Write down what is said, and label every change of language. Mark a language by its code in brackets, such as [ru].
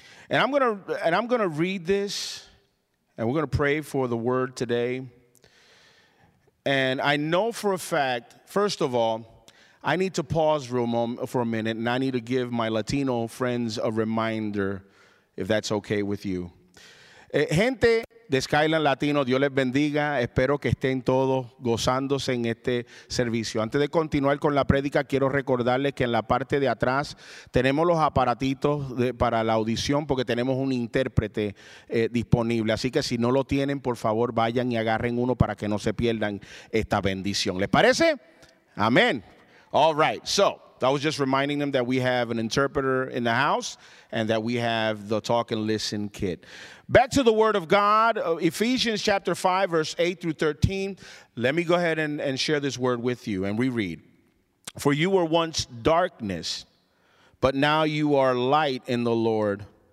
[en] And I'm going to read this, and we're going to pray for the word today. And I know for a fact, first of all, I need to pause for a minute, and I need to give my Latino friends a reminder, if that's okay with you. [es] Gente de Skyline Latino, Dios les bendiga. Espero que estén todos gozándose en este servicio. Antes de continuar con la prédica, quiero recordarles que en la parte de atrás tenemos los aparatitos para la audición porque tenemos un intérprete disponible. Así que si no lo tienen, por favor, vayan y agarren uno para que no se pierdan esta bendición. ¿Les parece? Amén. [en] All right. So, I was just reminding them that we have an interpreter in the house and that we have the talk and listen kit. Back to the word of God, Ephesians chapter 5, verse 8 through 13. Let me go ahead and share this word with you. And we read, "For you were once darkness, but now you are light in the Lord.